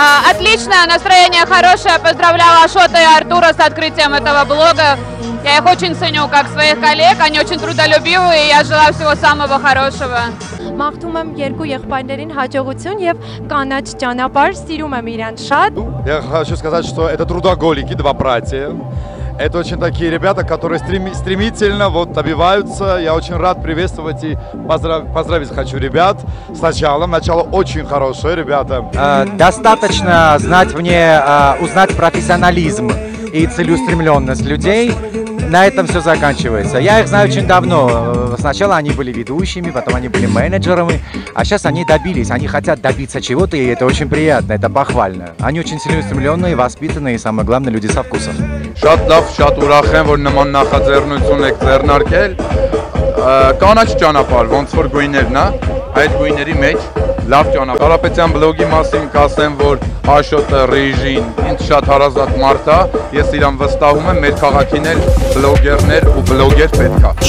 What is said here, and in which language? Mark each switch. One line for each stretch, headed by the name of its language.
Russian: Отлично, настроение хорошее. Поздравляю Ашота и Артура с открытием этого блога. Я их очень ценю как своих коллег. Они очень трудолюбивые, и я желаю всего самого хорошего.
Armenian: Մաղթում եմ երկու եղբայրներին հաջողություն եւ կանաչ ճանապարհ, սիրում եմ իրենց շատ։
Russian: Я хочу сказать, что это трудоголики, два братья. Это очень такие ребята, которые стремительно вот добиваются. Я очень рад приветствовать и поздравить хочу ребят. Сначала, начало очень хорошее, ребята. Достаточно знать мне, узнать профессионализм и целеустремленность людей. На этом все заканчивается. Я их знаю очень давно. Сначала они были ведущими, потом они были менеджерами. А сейчас они добились. Они хотят добиться чего-то, и это очень приятно, это похвально. Они очень целеустремленные, воспитанные и, самое главное, люди со вкусом.
Armenian: Շատ լավ, շատ ուրախ եմ, որ նման նախաձեռնություն եք ձեռնարկել։ Կանաչ ճանապարհ, ոնց որ գույներն է, այդ գույների մեջ լավ ճանապարհ։ Կարապետյան բլոգի մասին կասեմ, որ Աշոտը ռիժին, ինձ շատ հարազատ մարդ է, ես իրան վստահում եմ, մեր քաղաքին էլ բլոգերներ ու բլոգեր պետք է։